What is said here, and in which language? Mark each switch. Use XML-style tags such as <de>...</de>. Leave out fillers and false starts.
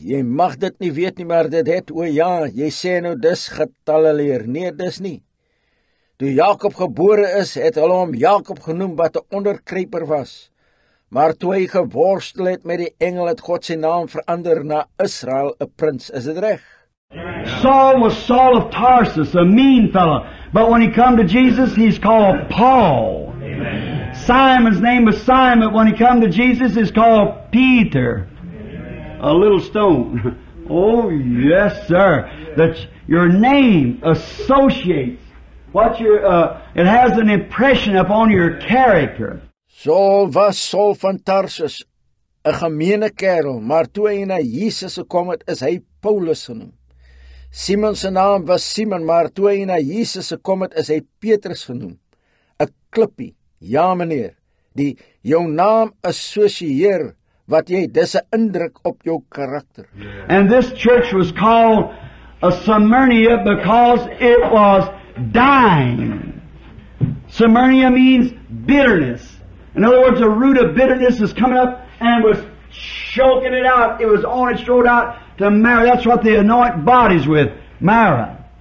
<af>Jy mag dit nie weet nie, maar dit het, o ja, jy sê nou dis getalle leer. Nee, dis nie. Toe Jacob gebore is, het hulle hom Jacob genoem wat 'n onderkreper was. Maar toe hy geworstel het met die engel, het God sy naam verander na Israel, 'n prins. Is dit reg?</af> <en>Saul was Saul of Tarsus, a mean fellow. But when he come to Jesus, he's called Paul. Amen. Simon's name was Simon. When he come to Jesus, he's called Peter. Amen. A little stone. Oh, yes, sir. That your name associates what your, it has an impression upon your character.</en> <af>Saul was Saul van Tarsus, a gemene kerel. Maar toe hy na Jesus gekom het, is hy Paulus genoemd. Simon se naam was Simon, maar toe hy na Jesus gekom het, is hy Petrus genoem. 'N klippie, ja meneer, die jou naam assosieer wat jy, dis 'n indruk op jou karakter.</af> <en>And this church was called a Smyrna because it was dying. Smyrna means bitterness. In other words, a root of bitterness is coming up and was choking it out. It was on its throat out. To marrow, that's what they anoint bodies with, marrow.</en>